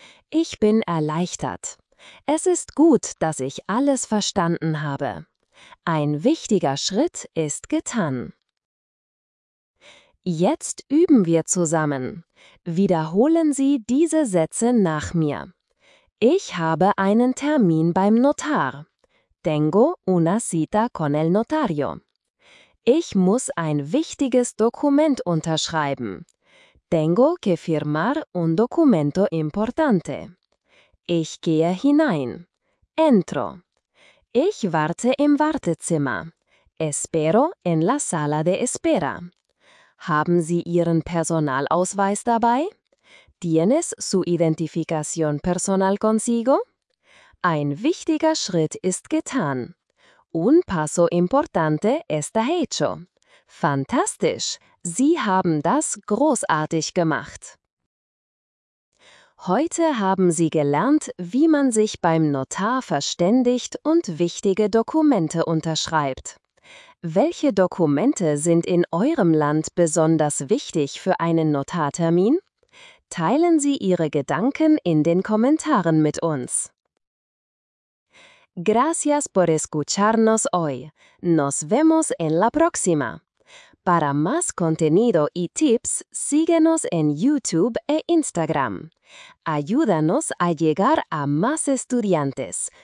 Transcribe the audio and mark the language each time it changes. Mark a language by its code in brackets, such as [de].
[de] Ich bin erleichtert. Es ist gut, dass ich alles verstanden habe. Ein wichtiger Schritt ist getan. Jetzt üben wir zusammen. Wiederholen Sie diese Sätze nach mir. Ich habe einen Termin beim Notar. [es] Tengo una cita con el notario. [de] Ich muss ein wichtiges Dokument unterschreiben. [es] Tengo que firmar un documento importante. [de] Ich gehe hinein. [es] Entro. [de] Ich warte im Wartezimmer. [es] Espero en la sala de espera. [de] Haben Sie Ihren Personalausweis dabei? [es] ¿Tienes su identificación personal consigo? [de] Ein wichtiger Schritt ist getan. [es] Un paso importante está hecho. [de] Fantastisch! Sie haben das großartig gemacht. Heute haben Sie gelernt, wie man sich beim Notar verständigt und wichtige Dokumente unterschreibt. Welche Dokumente sind in eurem Land besonders wichtig für einen Notartermin? Teilen Sie Ihre Gedanken in den Kommentaren mit uns. [es] Gracias por escucharnos hoy. Nos vemos en la próxima. Para más contenido y tips, síguenos en YouTube e Instagram. Ayúdanos a llegar a más estudiantes.